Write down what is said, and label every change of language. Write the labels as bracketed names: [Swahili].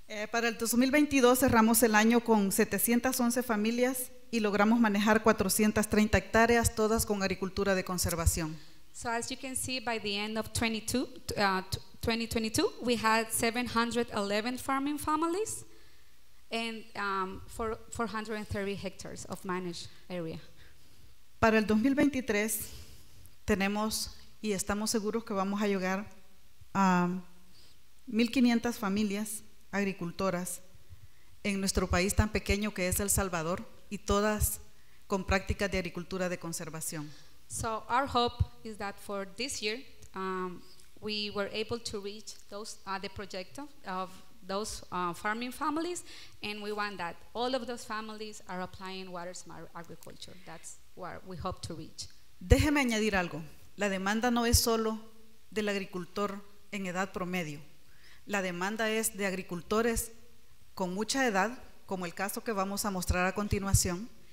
[Spanish] Para el 2022 cerramos el año con 711 familias y logramos manejar 430 hectáreas, todas con agricultura de conservación. [English] So as you can see, by the end of 2022, we had 711 farming families and 430 hectares of managed area. [Spanish] Para el 2023 tenemos y estamos seguros que vamos a llegar a 1,500 familias agricultoras en nuestro país tan pequeño que es El Salvador y todas con prácticas de agricultura de conservación. [English] So our hope is that for this year we were able to reach those the project of those farming families, and we want that all of those families are applying water smart agriculture. That's what we hope to reach. [Spanish] Déjeme añadir algo. La demanda no es solo del agricultor en edad promedio. La demanda es de agricultores con mucha edad, como el caso que vamos a mostrar a continuación.